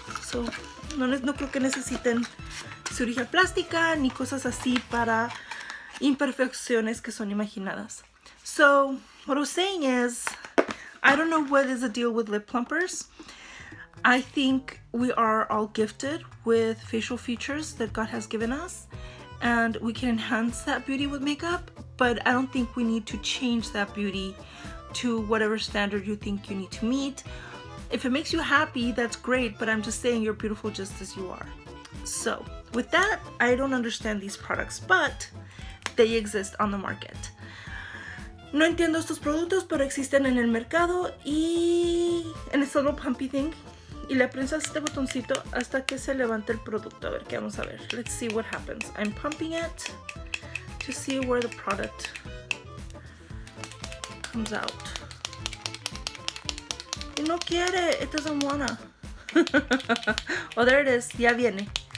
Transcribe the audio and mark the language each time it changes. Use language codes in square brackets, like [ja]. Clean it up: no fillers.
[es] So, no creo que necesiten cirugía plástica ni cosas así para imperfecciones que son imaginadas. [en] So, what I was saying is, I don't know what is the deal with lip plumpers. I think we are all gifted with facial features that God has given us, and we can enhance that beauty with makeup, but I don't think we need to change that beauty to whatever standard you think you need to meet. If it makes you happy, that's great, but I'm just saying you're beautiful just as you are. So, with that, I don't understand these products, but they exist on the market. [es] No entiendo estos productos, pero existen en el mercado y en este [en] little pumpy thing. [es] Y le aprietas este botoncito hasta que se levante el producto. A ver, ¿qué vamos a ver? [en] Let's see what happens. I'm pumping it to see where the product comes out. [es] Y no quiere. [en] It doesn't wanna. Oh, there it is. [es] Ya viene.